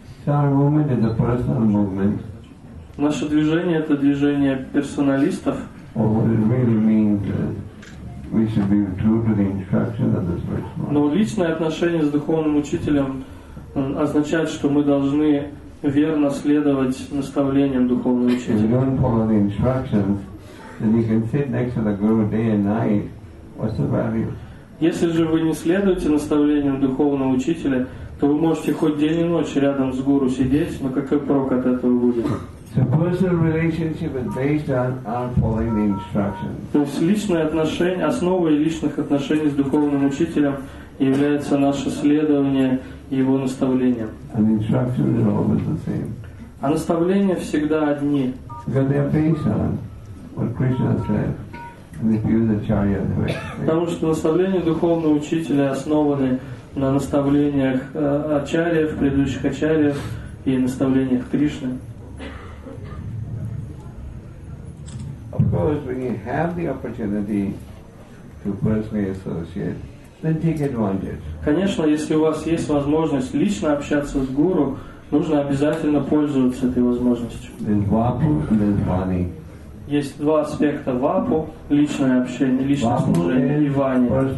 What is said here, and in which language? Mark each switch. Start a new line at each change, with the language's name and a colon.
Russian: Наше движение — это движение персоналистов. Но личное отношение с духовным учителем означает, что мы должны верно следовать наставлениям духовного учителя.
English: And you can sit next to the guru day and night. What's the value?
Russian: Если же вы не следуете наставлениям духовного учителя, то вы можете хоть день и ночь рядом с гуру сидеть, но какой прок от этого будет?
English: So personal relationship is based on our following the instructions.
Russian: То есть личные отношения, основой личных отношений с духовным учителем является наше следование его наставлениям.
English: And instructions are always the same.
Russian: А наставления всегда одни.
English: Because they are based on what Krishna said, and if you use the charya, the way.
Russian: Потому что наставления духовного учителя основаны на наставлениях ачарьев, предыдущих ачарьев и наставлениях Кришны.
English: Of course, when you have the opportunity to personally associate, then take advantage.
Russian: Конечно, если у вас есть возможность лично общаться с гуру, нужно обязательно пользоваться этой возможностью.
English: Then vapu and then vani.
Russian: Есть два аспекта вапу, личное общение, личное служение, и вани.